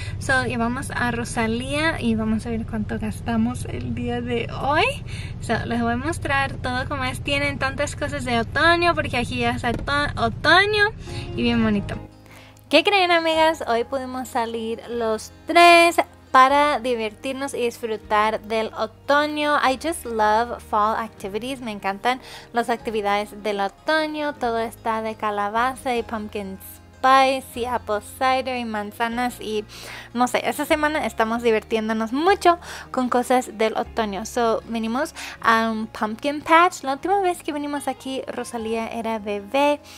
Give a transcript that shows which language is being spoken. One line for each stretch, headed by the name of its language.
Spanish: So, llevamos a Rosalía y vamos a ver cuánto gastamos el día de hoy. So, les voy a mostrar todo como es. Tienen tantas cosas de otoño porque aquí ya es otoño y bien bonito. ¿Qué creen, amigas? Hoy pudimos salir los tres para divertirnos y disfrutar del otoño.
English: I just love fall activities.
Spanish: Me encantan las actividades del otoño. Todo está de calabaza y pumpkin spice y apple cider y manzanas. Y no sé, esta semana estamos divirtiéndonos mucho con cosas del otoño. So, venimos a un pumpkin patch. La última vez que venimos aquí, Rosalía era bebé.